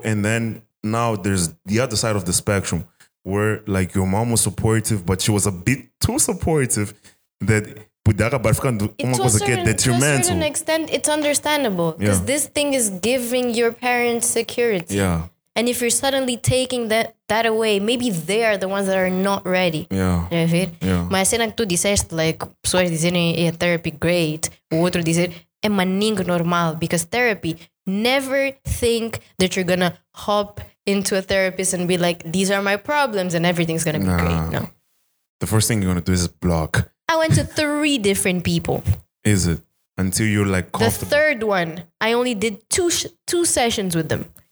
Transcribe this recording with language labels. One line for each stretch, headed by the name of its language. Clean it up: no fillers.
English: And then now there's the other side of the spectrum where like your mom was supportive, but she was a bit too supportive that to a certain extent, it's understandable because this thing is giving your parents security. Yeah. And if you're suddenly taking that away, maybe they are the ones that are not ready. Yeah. Yeah.
Portuguese: Mas cena que tu disseste, like, pessoas dizerem a
English: therapy great,
Portuguese: o outro dizer, é maninho normal.
English: Because therapy, never think that you're going to hop into a therapist and be like, these are my problems and everything's going to be great. No. The first thing you're going to do is block. I went to 3 different people. Is it? Until you're like comfortable. The third one, I only did two sessions with them.